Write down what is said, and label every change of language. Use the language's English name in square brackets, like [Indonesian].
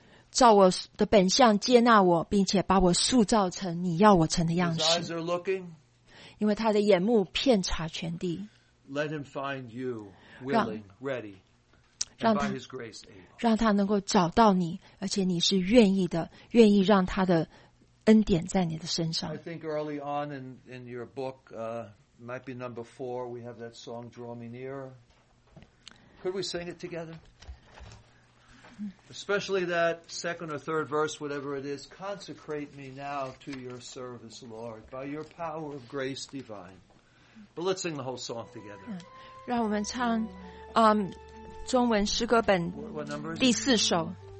[Chinese] 照我的本相接纳我，并且把我塑造成你要我成的样式。 [English] His eyes are looking, [Chinese] 因为他的眼目遍察全地。 [English] Let him find you willing, ready, and by his grace able. [Chinese] 让他能够找到你，而且你是愿意的，愿意让他的恩典在你的身上。 [English] I think early on in your book, might be number four, we have that song, Draw Me Nearer. Could we sing it together? Especially that second or third verse, whatever it is, consecrate me now to your service, Lord, by your power of grace divine. But let's sing the whole song together. [Chinese] 让我们唱，中文诗歌本第四首。